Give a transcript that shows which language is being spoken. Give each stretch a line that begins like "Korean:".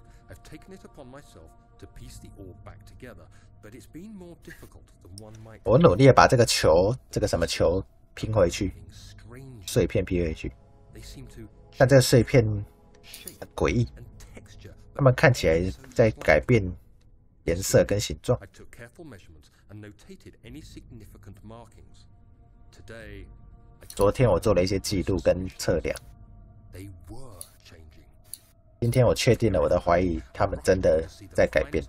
English: I've taken it upon myself to piece the orb back together, but it's been more difficult than one might.
Chinese: 我努力把这个球，这个什么球拼回去，碎片拼回去。但这个碎片很诡异，它们看起来在改变颜色跟形状。
English: I took careful measurements and notated any significant markings. Today,
Chinese: 昨天我做了一些记录跟测量。
English: They were changing.
Chinese: 今天我确定了我的怀疑，它们真的在改变。